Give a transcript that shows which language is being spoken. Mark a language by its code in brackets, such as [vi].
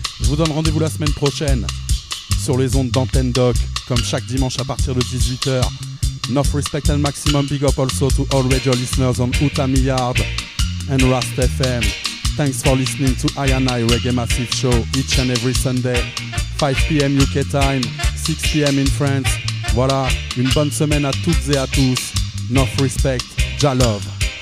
[fr] Je vous donne rendez-vous la semaine prochaine sur les ondes d'Antenne Doc, comme chaque dimanche à partir de 18h. [en] North respect and maximum big up also to all radio listeners on Outa Milliard and Rast FM. Thanks for listening to I and I Reggae Massive Show each and every Sunday, 5 p.m. UK time, 6 p.m. in France. [fr] Voilà, une bonne semaine à toutes et à tous. [en] North respect, Jah love.